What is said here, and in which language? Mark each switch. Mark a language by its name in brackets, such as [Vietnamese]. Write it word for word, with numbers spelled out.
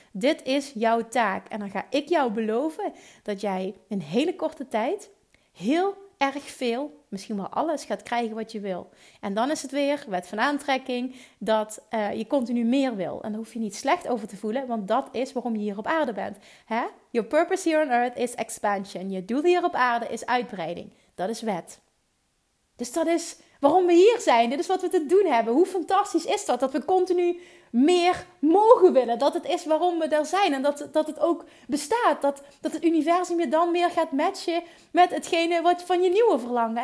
[Dutch] Dit is jouw taak. En dan ga ik jou beloven dat jij in hele korte tijd heel erg veel, misschien wel alles, gaat krijgen wat je wil. En dan is het weer, wet van aantrekking, dat uh, je continu meer wil. En daar hoef je niet slecht over te voelen, want dat is waarom je hier op aarde bent. Hè? [English] Your purpose here on earth is expansion. [Dutch] Je doel hier op aarde is uitbreiding. Dat is wet. Dus dat is waarom we hier zijn. Dit is wat we te doen hebben. Hoe fantastisch is dat? Dat we continu meer mogen willen. Dat het is waarom we daar zijn. En dat, dat het ook bestaat. Dat, dat het universum je dan meer gaat matchen met hetgene wat van je nieuwe verlangen.